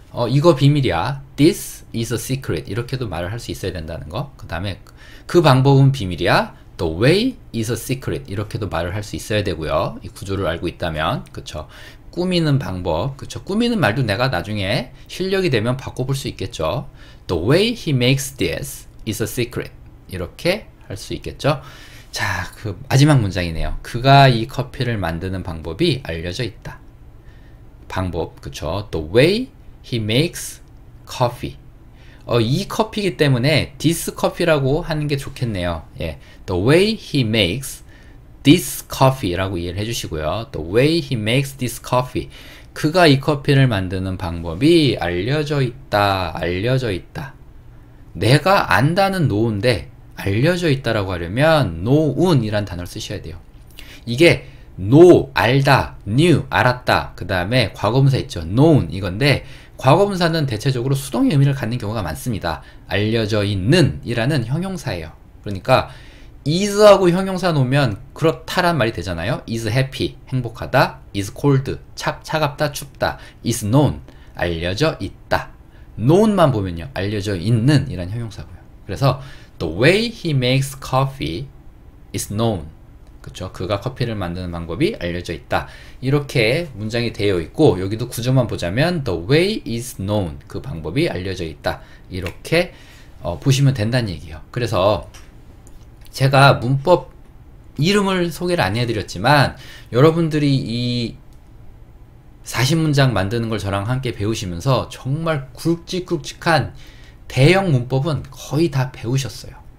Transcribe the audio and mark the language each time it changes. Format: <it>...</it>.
<ko>이거 비밀이야.</ko> <en>This is a secret.</en> <ko>이렇게도 말을 할수 있어야 된다는 거. 그 다음에 그 방법은 비밀이야.</ko> <en>The way is a secret.</en> <ko>이렇게도 말을 할수 있어야 되고요. 이 구조를 알고 있다면. 그쵸. 꾸미는 방법. 그쵸. 꾸미는 말도 내가 나중에 실력이 되면 바꿔볼 수 있겠죠.</ko> <en>The way he makes this is a secret.</en> <ko>이렇게 할수 있겠죠. 자, 그 마지막 문장이네요. 그가 이 커피를 만드는 방법이 알려져 있다. 방법. 그쵸.</ko> <en>The way he makes coffee.</en> <ko>이 커피이기 때문에</ko> <en>this coffee</en> <ko>라고 하는 게 좋겠네요. 예.</ko> <en>The way he makes this coffee라고</en> <ko>이해를 해주시고요.</ko> <en>The way he makes this coffee.</en> <ko>그가 이 커피를 만드는 방법이 알려져 있다. 알려져 있다. 내가 안다는 know인데 알려져 있다라고 하려면 known이란 단어를 쓰셔야 돼요. 이게 know, 알다, knew, 알았다. 그 다음에 과거분사 있죠. known 이건데 과거분사는 대체적으로 수동의 의미를 갖는 경우가 많습니다. 알려져 있는 이라는 형용사예요. 그러니까 is하고 형용사 놓으면 그렇다란 말이 되잖아요.</ko> <en>is happy,</en> <ko>행복하다.</ko> <en>is cold,</en> <ko>차갑다, 춥다.</ko> <en>is known,</en> <ko>알려져 있다. known만 보면요. 알려져 있는 이란 형용사고요. 그래서</ko> <en>the way he makes coffee is known.</en> <ko>그렇죠. 그가 커피를 만드는 방법이 알려져 있다. 이렇게 문장이 되어 있고 여기도 구조만 보자면</ko> <en>the way is known.</en> <ko>그 방법이 알려져 있다. 이렇게 보시면 된다는 얘기예요. 그래서 제가 문법 이름을 소개를 안 해드렸지만 여러분들이 이 40문장 만드는 걸 저랑 함께 배우시면서 정말 굵직굵직한 대형 문법은 거의 다 배우셨어요.</ko>